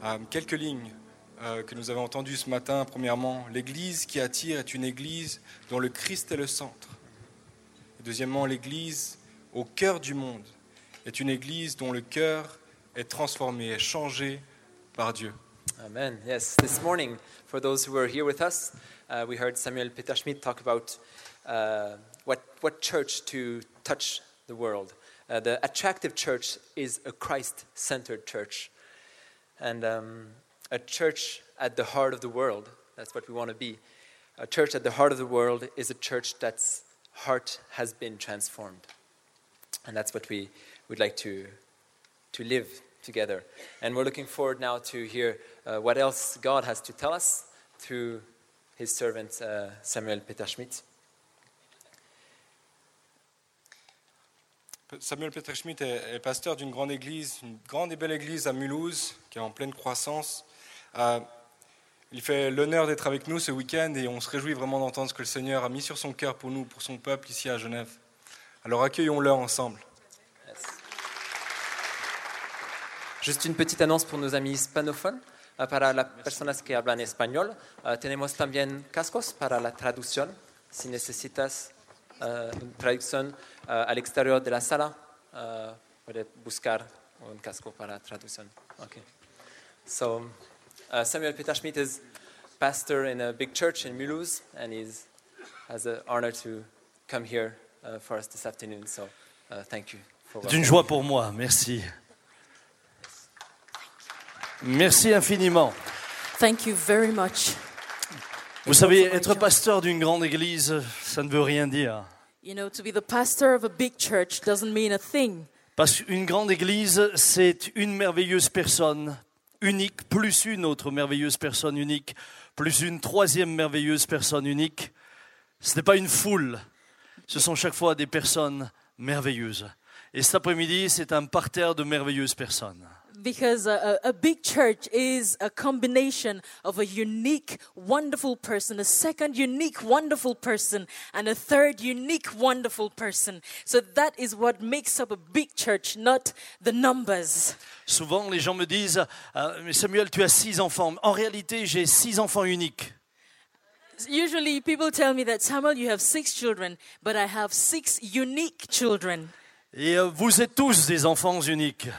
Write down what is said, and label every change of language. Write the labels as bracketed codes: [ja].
[fr] Quelques lignes que nous avons entendues ce matin. Premièrement, l'Église qui attire est une Église dont le Christ est le centre. Deuxièmement, l'Église au cœur du monde est une Église dont le cœur est transformé, est changé par Dieu. Amen. [en] Yes, this morning, for those who are here with us, we heard Samuel Peter Schmidt talk about what church to touch the world. The attractive church is a Christ-centered church. And a church at the heart of the world, that's what we want to be. A church at the heart of the world is a church that's heart has been transformed. And that's what we would like to live together. And we're looking forward now to hear what else God has to tell us through his servant Samuel Peter Schmidt. [fr] Samuel Peter Schmidt est pasteur d'une grande église, une grande et belle église à Mulhouse, qui est en pleine croissance. Il fait l'honneur d'être avec nous ce week-end et on se réjouit vraiment d'entendre ce que le Seigneur a mis sur son cœur pour nous, pour son peuple ici à Genève. Alors accueillons-le ensemble. [en] Yes. [fr] Juste une petite annonce pour nos amis hispanophones. [es] Para las personas que hablan español, tenemos también cascos para la traducción, si necesitas una traducción al exterior de la sala, puedes buscar un casco para traducción. [en] Okay. So, Samuel Peter Schmidt is pastor in a big church in Mulhouse, and has an honor to come here for us this afternoon. So, thank you. [fr] C'est une joie pour moi. Merci. Merci infiniment. [en] Thank you very much. [fr] Vous savez, être pasteur d'une grande église, ça ne veut rien dire. [en] You know, to be the pastor of a big church doesn't mean a thing. [fr] Parce qu'une grande église, c'est une merveilleuse personne unique, plus une autre merveilleuse personne unique, plus une troisième merveilleuse personne unique. Ce n'est pas une foule, ce sont chaque fois des personnes merveilleuses. Et cet après-midi, c'est un parterre de merveilleuses personnes. [en] Because a big church is a combination of a unique, wonderful person, a second unique, wonderful person, and a third unique, wonderful person. So that is what makes up a big church, not the numbers. [fr] Souvent, les gens me disent, mais Samuel, tu as 6 enfants. En réalité, j'ai 6 enfants uniques. [en] Usually, people tell me that, Samuel, you have 6 children, but I have 6 unique children. [fr] Et vous êtes tous des enfants uniques.